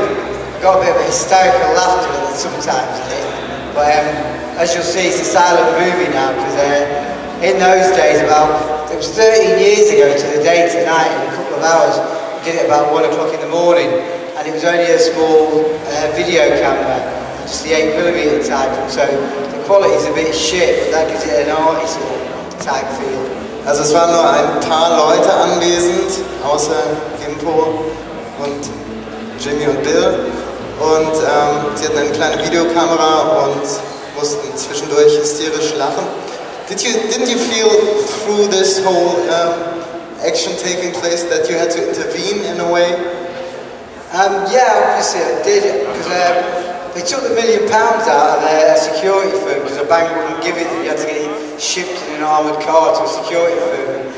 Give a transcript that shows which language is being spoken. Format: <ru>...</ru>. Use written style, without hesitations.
<en>I got a bit of a hysterical laughter at it sometimes, but as you'll see, it's a silent movie now, because in those days, it was 13 years ago to the day tonight, in a couple of hours, we did it about 1 o'clock in the morning, and it was only a small video camera, just the 8mm type, so the quality is a bit shit, but that gives it an artist type feel.</en> <de>Also es waren nur ein paar Leute anwesend, außer Gimpo und Jimmy und Bill, und sie hatten eine kleine Videokamera und mussten zwischendurch hysterisch lachen.</de> <en>Didn't you feel through this whole action taking place that you had to intervene in a way? Yeah, obviously I did, because they took £1 million out of their security firm, because the bank wouldn't give it, you had to get it shipped in an armoured car to a security firm.</en>